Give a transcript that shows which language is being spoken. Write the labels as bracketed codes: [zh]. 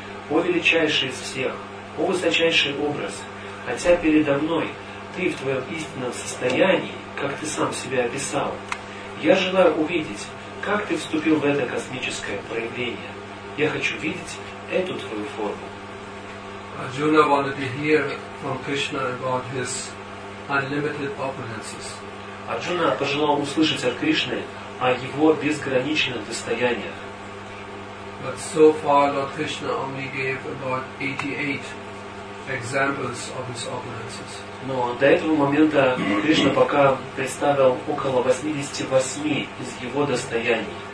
[ru] О величайший из всех, о высочайший образ, хотя передо мной ты в твоем истинном состоянии, как ты сам себя описал, я желаю увидеть, как ты вступил в это космическое проявление. Я хочу видеть эту твою форму. [en] Arjuna wanted to hear from Krishna about his unlimited opulences. [ru] Arjuna пожелал услышать от Кришны о его безграничных достояниях. [en] But so far Lord Krishna only gave about 88 examples of his opulences. [ru] Но до этого момента Кришна пока представил около 88 из его достояний.